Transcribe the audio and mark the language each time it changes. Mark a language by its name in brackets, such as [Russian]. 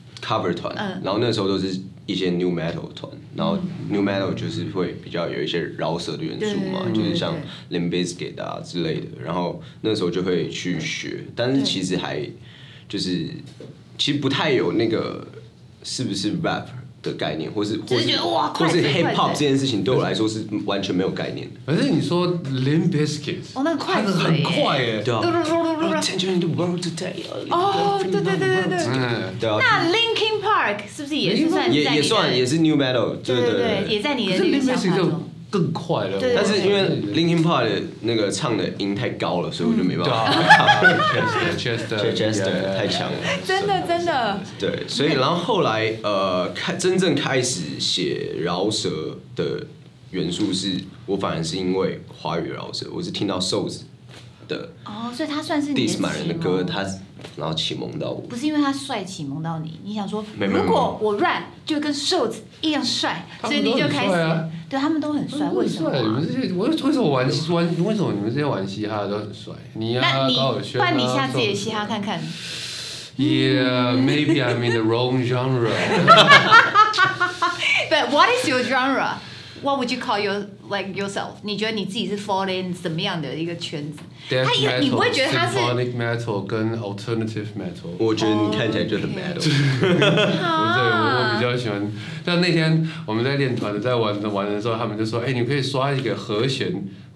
[Chinese] cover 团，然后那时候都是一些 new metal 团。然后 new metal 就是会比较有一些饶舌的元素嘛，就是像 Limp Bizkit 啊之类的，然后那时候就会去学，但是其实还就是其实不太有那个是不是 rap 的概念，或是 hip hop 这件事情对我来说是完全没有概念的。可是你说 Limp Bizkit，哦，那个快，那个很快耶，对啊， [English] Change the world today。 [Chinese] 哦，对对对对对，那 Linkin Park 是不是也是算在你的？也算，也是 new metal，对对对，也在你的理想当中。更快了。但是因为 Linkin Park 的那个唱的音太高了，所以我就没办法唱。 Chester 太强了，真的真的。对，所以然后后来真正开始写饶舌的元素是，我反而是因为华语饶舌，我是听到 Souls 的。哦，所以他算是你的启蒙。 Dismal 的歌，他然后启蒙到我。不是因为他帅启蒙到你，你想说如果我 rap 就跟 Souls 一样帅，所以你就开始。对，他们都很帅，为什么？你们这些，为什么你们这些玩嘻哈的都很帅？你啊，高尔宣啊，换你下次也嘻哈看看。 [English] Yeah, maybe I'm in the wrong genre. But what is your genre? What would you call yourself? [Chinese] 你觉得你自己是 [English] fall in [Chinese] 什么样的一个圈子？ [English] Death metal, symphonic metal 跟 alternative metal， [Chinese] 我觉得你看起来就是 metal。对，我比较喜欢。像那天我们在练团的，在玩的时候，他们就说：“哎，你可以刷一个和弦。”